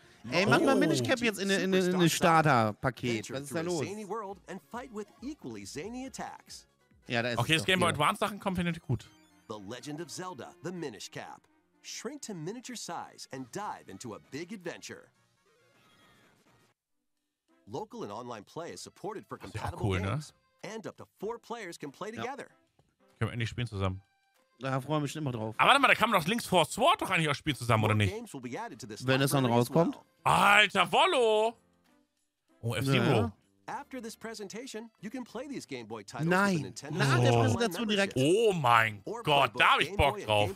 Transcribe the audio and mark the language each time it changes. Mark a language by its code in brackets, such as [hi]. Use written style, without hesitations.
[de] Ey, mach mal Minish Cap jetzt in ein Starter-Paket. Was ist da los? [en] Zany world and fight with equally zany attacks. [de] Ja, da ist okay, das Game Boy Advance-Sachen kommen, finde ich gut. [en] The Legend of Zelda, The Minish Cap. Shrink to miniature size and dive into a big adventure. Local and online play is supported for compatible cool, games. [de] Ne? [en] And up to four players can play together. [de] Ja. Können wir endlich spielen zusammen. Da freuen wir mich schon immer drauf. Aber warte mal, da kann man doch Links for Sword doch eigentlich auch spielen zusammen, oder nicht? Wenn es dann rauskommt. Alter, Wollo! Oh, F-Zero. Ja. [en] After this presentation, you can play these Game Boy titles with the Nintendo Online membership. [de] Nein, nach der Präsentation direkt. Oh mein Gott, da habe ich Bock drauf.